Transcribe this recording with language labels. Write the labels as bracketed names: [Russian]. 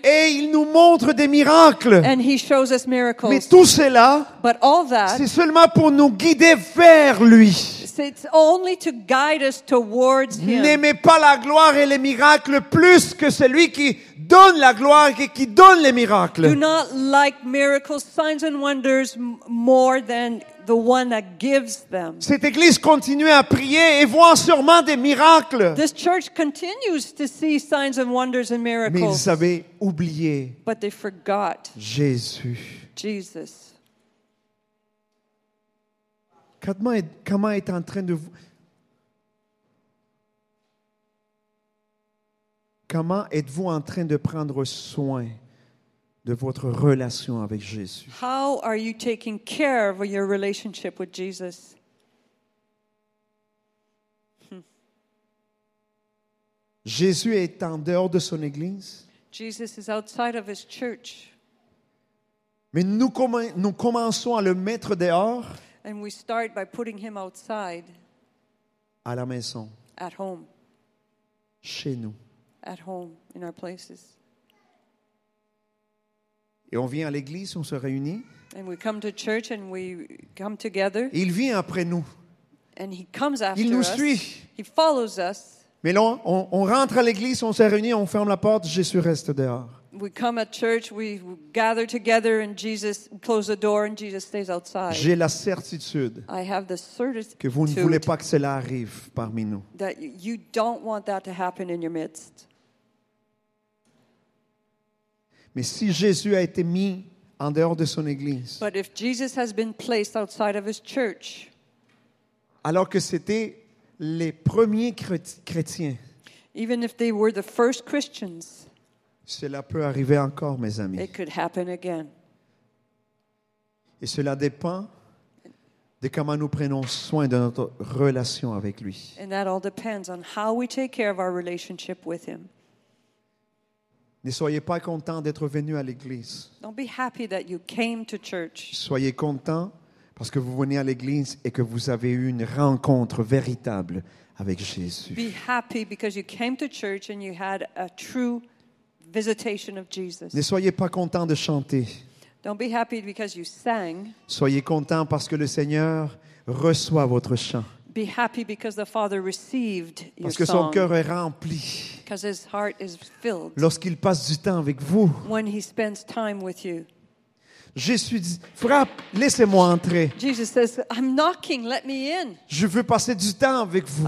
[French] Et il nous montre des miracles. [English] And he shows us miracles. [French] Mais tout cela, [English] but all that, [French] c'est seulement pour nous guider vers lui. [English] It's only to guide us towards him. [French] N'aimez pas la gloire et les miracles plus que celui qui donne la gloire et qui donne les miracles. [English] Do not like miracles, signs and wonders more than the one that gives them. [French] Cette église continue à prier et voit sûrement des miracles. [English] This church continues to see signs and wonders and miracles. [French] Mais ils avaient oublié. [English] But they forgot. [French] Jésus. [English] Jesus. [French] Comment est en train de vous... Comment êtes-vous en train de prendre soin de votre relation avec Jésus? [English] How are you taking care of your relationship with Jesus? [French] Jésus est en dehors de son église. [English] Jesus is outside of his church. [French] Mais nous commençons à le mettre dehors. [English] And we start by putting him outside. [French] À la maison. [English] At home. [French] Chez nous. [English] At home, in our places. [French] Et on vient à l'église, on se réunit. [English] And we come to church and we come together. [French] Il vient après nous. [English] And he comes after us. [French] Il nous suit. [English] He follows us. [French] Mais là, on rentre à l'église, on se réunit, on ferme la porte, Jésus reste dehors. [English] We come at church, we gather together, and Jesus closes the door, and Jesus stays outside. [French] J'ai la certitude, [English] I have the certitude [French] que vous ne voulez pas que cela arrive parmi nous. [English] That you don't want that to happen in your midst. [French] Mais si Jésus a été mis en dehors de son église, [English] but if Jesus has been placed outside of his church, [French] alors que c'était les premiers chrétiens, [English] even if they were the first Christians, [French] cela peut arriver encore, mes amis. [English] It could happen again. [French] Et cela dépend de comment nous prenons soin de notre relation avec lui. [English] And that all depends on how we take care of our relationship with him. [French] Ne soyez pas content d'être venu à l'église. [English] Don't be happy that you came to church. [French] Soyez content parce que vous venez à l'église et que vous avez eu une rencontre véritable avec Jésus. [English] Be happy because you came to church and you had a true visitation of Jesus. [French] Ne soyez pas content de chanter. [English] Don't be happy because you sang. [French] Soyez content parce que le Seigneur reçoit votre chant. [English] Be happy because the Father received your song. [French] Parce que son cœur est rempli. [English] Because his heart is filled. [French] Lorsqu'il passe du temps avec vous. [English] When he spends time with you. [French] Jésus dit, frappe, laissez-moi entrer. [English] Jesus says, I'm knocking, let me in. [French] Je veux passer du temps avec vous.